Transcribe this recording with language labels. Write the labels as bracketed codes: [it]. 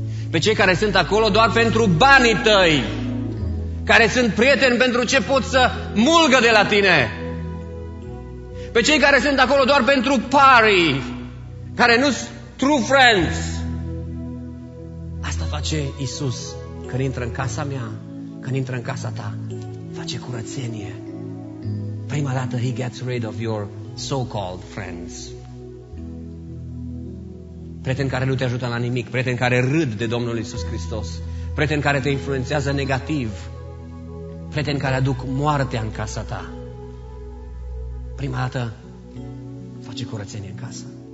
[ro] Pe cei care sunt acolo doar pentru banii tăi. Care sunt prieteni pentru ce pot să mulgă de la tine. Pe cei care sunt acolo doar pentru party. Care nu sunt [en] true friends. [ro] Asta face Iisus când intră în casa mea, când intră în casa ta. Face curățenie. Prima dată [en] he gets rid of your so-called friends. [ro] Prieteni care nu te ajută la nimic, prieteni care râd de Domnul Iisus Hristos, prieteni care te influențează negativ, prieteni care aduc moartea în casa ta. Prima dată face curățenie în casă.